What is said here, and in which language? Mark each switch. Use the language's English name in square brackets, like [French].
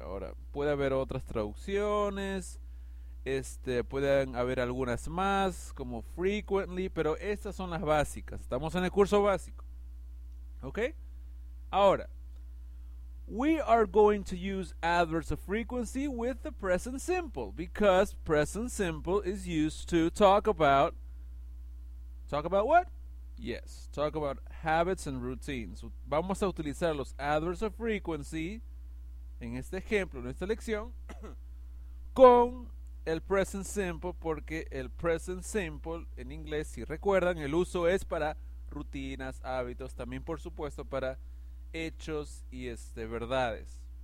[Spanish] Ahora, puede haber otras traducciones, pueden haber algunas más, como frequently, pero estas son las básicas. Estamos en el curso básico. ¿Ok? Ahora, [English] we are going to use adverbs of frequency with the present simple, because present simple is used to talk about what? Yes, talk about habits and routines. [Spanish] Vamos a utilizar los [English] adverbs of frequency [Spanish] en este ejemplo, en esta lección, con el present simple, porque el present simple en inglés, si recuerdan, el uso es para rutinas, hábitos, también por supuesto para hechos y verdades.